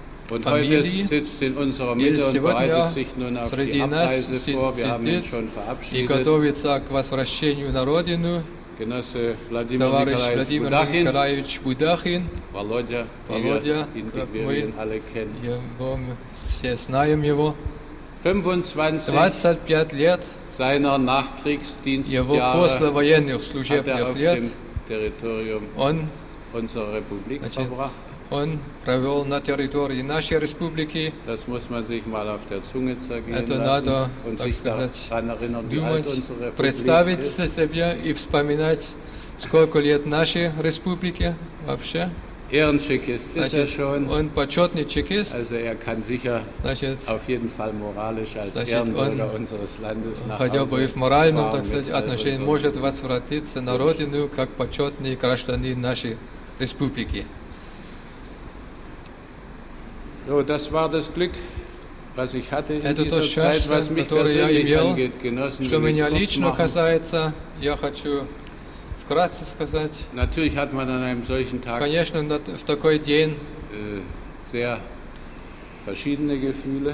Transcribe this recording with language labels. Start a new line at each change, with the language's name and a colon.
German: und heute sitzt in unserer Mitte und bereitet sich nun auf die Abreise vor. Wir haben ihn schon verabschiedet.
Russian: И готовится к возвращению на родину.
German: Genosse Владимир
Russian: Николаевич Будахин. Володя, Володя, мы
German: alle kennen.
Russian: Все знаем его. 25 лет
German: seiner Nachkriegsdienstjahre
Russian: его послевоенных служебных лет он
German: unserer Republik
Russian: verbracht. Он провел на территории нашей республики. Это надо, так сказать, думать, представить себе и вспоминать, сколько лет нашей республике вообще. Значит, он почетный чекист. Хотя бы и в моральном, так сказать, отношении может возвратиться на родину как почетный гражданин нашей республики.
German: So, das war das Glück, was ich hatte in
Russian: это
German: dieser Zeit, was mich persönlich angeht, Genossen,
Russian: что меня лично касается, я хочу вкратце сказать.
German: Natürlich hat man an einem solchen Tag,
Russian: конечно, в такой день,
German: sehr verschiedene Gefühle.